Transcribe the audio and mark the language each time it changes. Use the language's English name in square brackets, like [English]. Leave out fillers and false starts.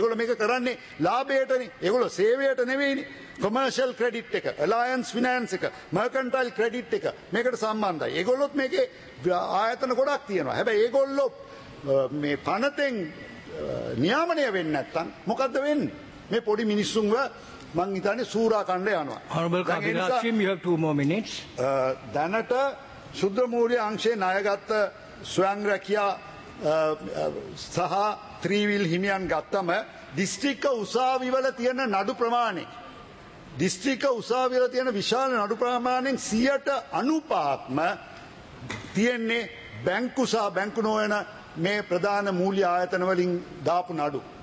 [Sinhala] ඒගොල්ලෝ මේක කරන්නේ ලාභයටනේ. ඒගොල්ලෝ සේවයට නෙවෙයිනේ. කොමර්ෂල් ක්‍රෙඩිට් එක, ඇලයන්ස් ෆිනෑන්ස් එක, මර්කන්ටයිල් ක්‍රෙඩිට් එක මේකට සම්බන්ධයි. ඒගොල්ලොත් මේකේ ආයතන ගොඩක් තියෙනවා. හැබැයි ඒගොල්ලෝ මේ පනතෙන් නියාමනය වෙන්නේ නැත්තම් මොකද්ද වෙන්නේ? මේ පොඩි මිනිස්සුන්ව මං හිතන්නේ සූරා කණ්ඩ යනවා. [English] Honorable Kabirashim, you have 2 more minutes. [Sinhala] දැනට ශුද්‍ර මූල්‍ය අංශයේ ණයගත්ත ස්වයං රැකියා සහ ත්‍රිවිල් හිමියන් ගත්තම දිස්ත්‍රික්ක උසාවිවල තියෙන නඩු ප්‍රමාණය, දිස්ත්‍රික්ක උසාවිවල තියෙන විශාල නඩු ප්‍රමාණයෙන් 95%ක්ම තියෙන්නේ බැංකු සහ බැංකු නොවන මේ ප්‍රධාන මූල්‍ය ආයතන වලින් දාපු නඩු.